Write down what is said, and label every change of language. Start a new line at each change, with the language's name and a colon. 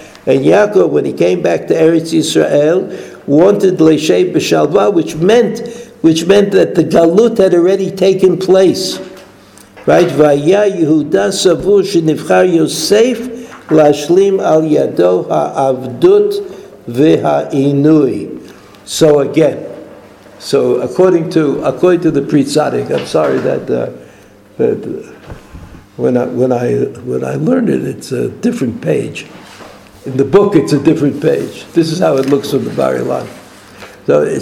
English: And Yaakov, when he came back to Eretz Yisrael, wanted
Hebrew: לישב בשלווה,
English: which meant that the galut had already taken place. Right?
Hebrew: והיה יהודה סבור שנבחר יוסף להשלים על ידו העבדות והעינוי.
English: So again, so according to the Pritzadik, I'm sorry that when I learned it, it's a different page. In the book, it's a different page. This is how it looks from the Bar Ilan.